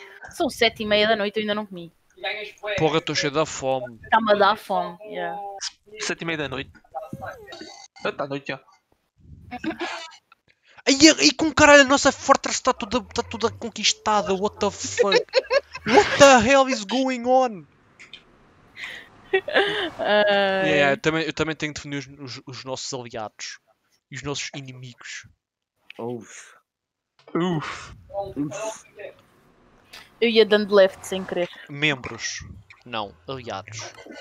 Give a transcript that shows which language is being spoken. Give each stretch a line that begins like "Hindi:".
Portuguese: São 7:30 da noite e ainda não comi. Porra, estou cheio da fome. Está-me a dar fome. 7:30 da noite. Está à noite já. Aí com caralho, a nossa fortress está toda conquistada.
English: What the fuck? What the hell is going on?
Portuguese: Eu também tenho que definir os nossos aliados e os nossos inimigos. Uff. Eu ia dando left sem querer. Membros. Não. Aliados.